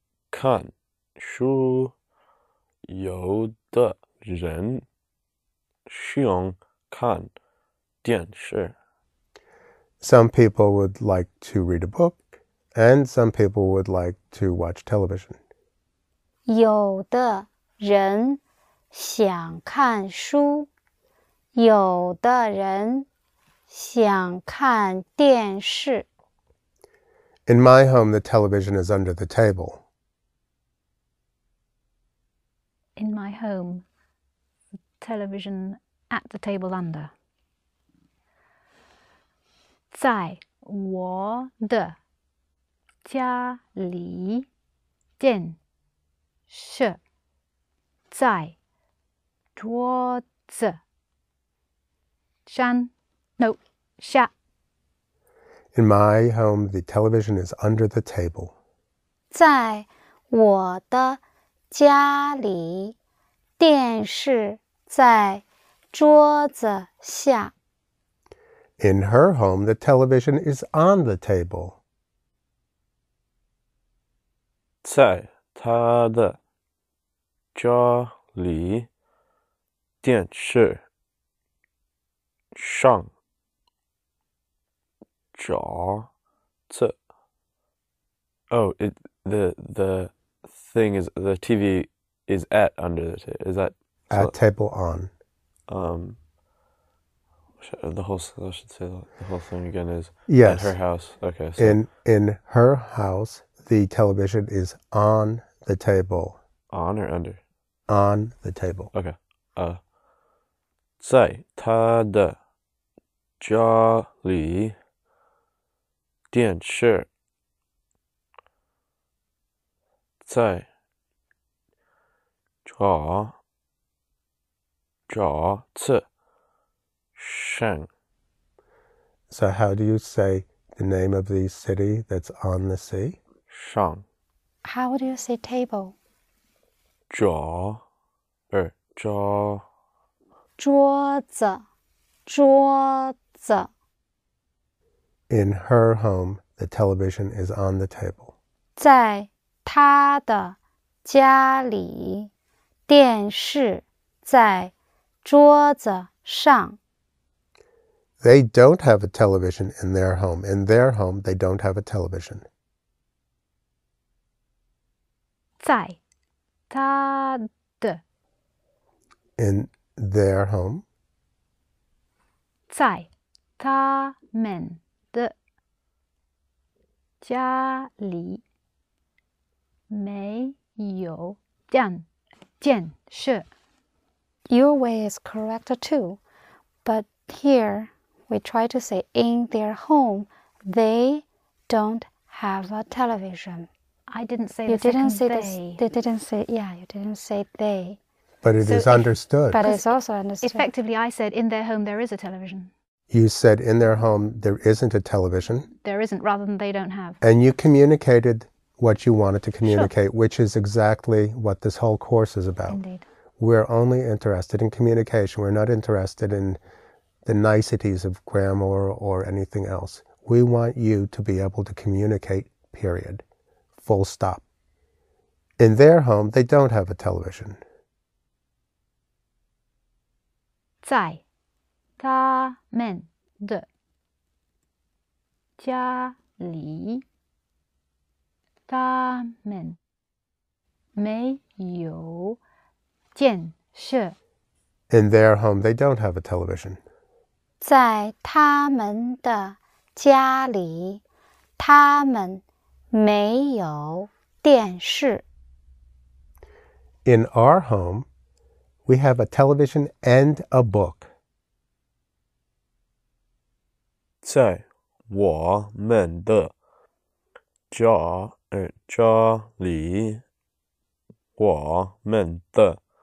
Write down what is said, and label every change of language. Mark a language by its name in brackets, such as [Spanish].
[Chinese] 看书有的人想看电视。 [English] Some people would like to read a book, and some people would like to watch television. [Chinese] 有的人想看书，有的人想看电视。 [English] In my home, the television is under the table. In my home, the television at the table under. [Chinese] 在我的家里电视在桌子上 [English] No, [Chinese] 下 [English] In my home, the television is under the table. [Chinese] 在我的家里电视在桌子下 [English] In her home, the television is on the table. [Chinese] 在她的家里电视上桌子 [English] Oh, the TV is at under the table. Is that? At table on. The whole thing again is yes. At her house. Okay. So. In her house, the television is on the table. On or under? On the table. Okay. [Chinese] 在她的家里电视在桌子上 [English] So how do you say the name of the city that's on the sea? [Chinese] 上 [English] How do you say table? [Chinese] 桌儿桌桌子桌子 [English] In her home, the television is on the table. [Chinese] 在她的家里电视在桌子上。 [English] They don't have a television in their home. In their home, they don't have a television. [Chinese] 在他的。 [English] In their home. [Chinese] 在他们的家里没有电视。 [English] Your way is correct too, but here we try to say in their home, they don't have a television. I didn't say you the didn't second say they. This, they didn't say, yeah, you didn't say they. But it so is if, understood. But it's also understood. Effectively, I said in their home, there is a television. You said in their home, there isn't a television. There isn't, rather than they don't have. And you communicated what you wanted to communicate, sure. Which is exactly what this whole course is about. Indeed. We're only interested in communication. We're not interested in the niceties of grammar or anything else. We want you to be able to communicate, period. Full stop. In their home, they don't have a television. [Chinese] 在他们的家里，他们没有电视。 [English] In their home, they don't have a television. [Chinese] 在他们的家里，他们没有电视。 [English] In our home, we have a television and a book. [Chinese] 在我们的家家里，我们的。